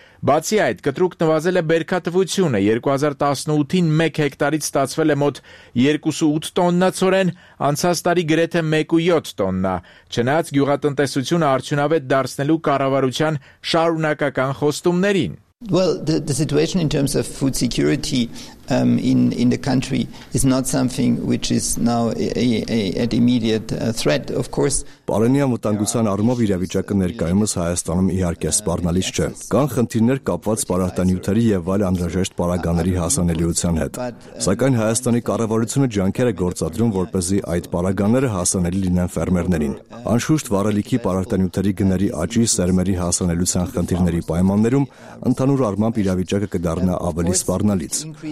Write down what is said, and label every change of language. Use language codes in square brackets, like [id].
[hy] Բացի այդ, կտրուկ նվազել է բերքատվությունը, 2018-ին 1 հեկտարից ստացվել է մոտ 2.8 տոննա ցորեն, անցած տարի գրեթե 1.7 տոննա, չնայած գյուղատնտեսությունը արդյունավետ դարձնելու կառավարության շարունակական խոստումներին։ [en] Well, the situation in terms of food security in the country is not something which is now an immediate threat, of course. [hy] Բարենյա մտանգության առումով իրավիճակը ներկայումս Հայաստանում իհարկե սպառնալից չէ։ Կան խնդիրներ կապված պարարտանյութերի եւ այլ անհրաժեշտ պարագաների հասանելիության հետ։ Սակայն Հայաստանի կառավարությունը ջանքեր է գործադրում, որպեսզի այդ պարագաները հասանելի լինեն ֆերմերներին։ Անշուշտ վարելիքի պարարտանյութերի գների աճի սերմերի հասանելիության խնդիրների պայմաններում ընդհանուր առմամբ իրավիճակը կդառնա ավելի սպառնալից։